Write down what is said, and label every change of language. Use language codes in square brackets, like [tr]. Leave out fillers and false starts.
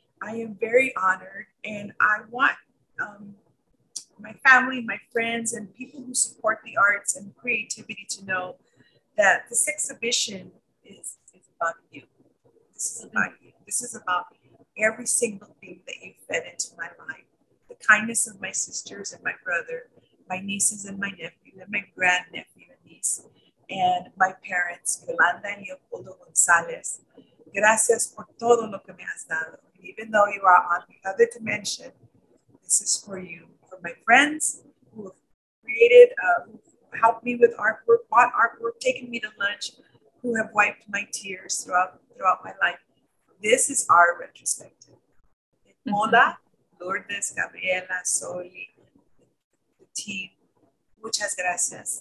[en] I am very honored, and I want my family, my friends, and people who support the arts and creativity to know that this exhibition is about you. This is about you. This is about every single thing that you fed into my life. The kindness of my sisters and my brother, my nieces and my nephew, and my grandnephew and niece, and my parents, Yolanda and Yolanda González. [es] Gracias por todo lo que me has dado. [en] And even though you are on the other dimension, this is for you. For my friends who have created, who helped me with artwork, bought artwork, taken me to lunch, who have wiped my tears throughout my life. This is our retrospective. Mm-hmm. MOLAA, Lourdes, Gabriela, Soli, the team, [es] muchas gracias.